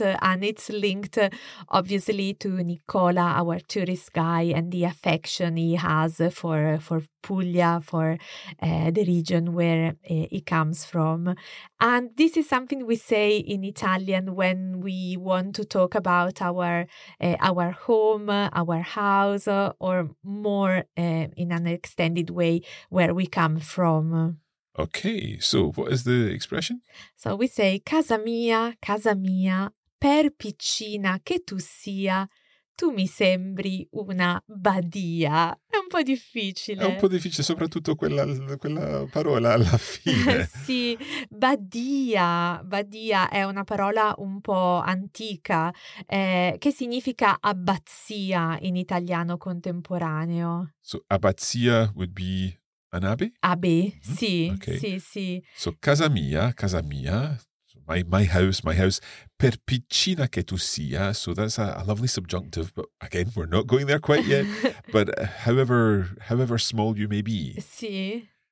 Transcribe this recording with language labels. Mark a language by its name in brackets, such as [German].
[English] And it's linked, obviously, to Nicola, our tourist guy, and the affection he has for Puglia, for the region where he comes from. And this is something we say in Italian when we want to talk about our home, our house, or more in an extended way, where we come from. Okay, so what is the expression? So we say, [Italian] casa mia, per piccina che tu sia, tu mi sembri una badia. È un po' difficile. È un po' difficile, soprattutto quella parola alla fine. Sì, badia è una parola un po' antica, che significa abbazia in italiano contemporaneo. [English] So abbazia would be... An abbey? Abbey, mm-hmm. [Italian] Sì, [English] okay. Sì. So [Italian] casa mia, [English] so my house, [Italian] per piccina che tu sia, [English] so that's a lovely subjunctive, but again, we're not going there quite yet, but however small you may be, [Italian] sì.